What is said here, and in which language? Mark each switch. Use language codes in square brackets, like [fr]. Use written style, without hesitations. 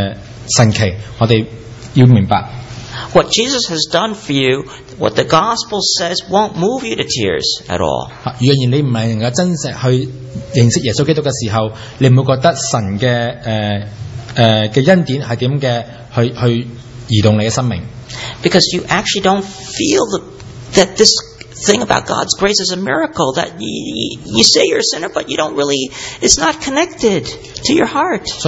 [zh] 所以如果你是不冷不热的人呢，我们呢，不会明白，就是说神的恩典，我们神的需要是其实是多么的神奇，我们要明白。 [en] What Jesus has done for you, what the gospel says, won't move you to tears at all. [zh] 若然你不是能够真正去认识耶稣基督的时候，你不会觉得神的恩典是怎样的去移动你的生命。 [en] Because you actually don't feel that this thing about God's grace is a miracle, that you say you're a sinner, but you don't really, it's not connected to your heart.